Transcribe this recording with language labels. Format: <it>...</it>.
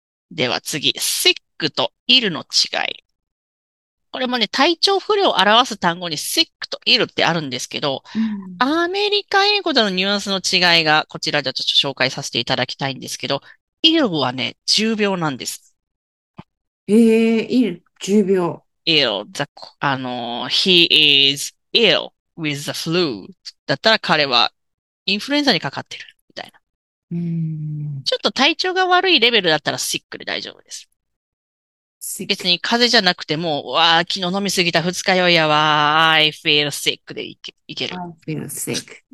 <ja>では次、sick と ill の違い。これもね、体調不良を表す単語に sick と ill ってあるんですけど、うん、アメリカ英語でのニュアンスの違いが、こちらでちょっと紹介させていただきたいんですけど、ill はね、重病なんです。 ill、重病。</ja> <en>ill, the, he is ill with the flu.</en> <ja>だったら彼はインフルエンザにかかってる。みたいな。ちょっと体調が悪いレベルだったら sick で大丈夫です。</ja> <en>Sick.</en> <ja>別に風邪じゃなくても、わあ、昨日飲みすぎた二日酔いやわ、</ja> <en>I feel sick</en> <ja>でいける。</ja> <en>I feel sick.</en>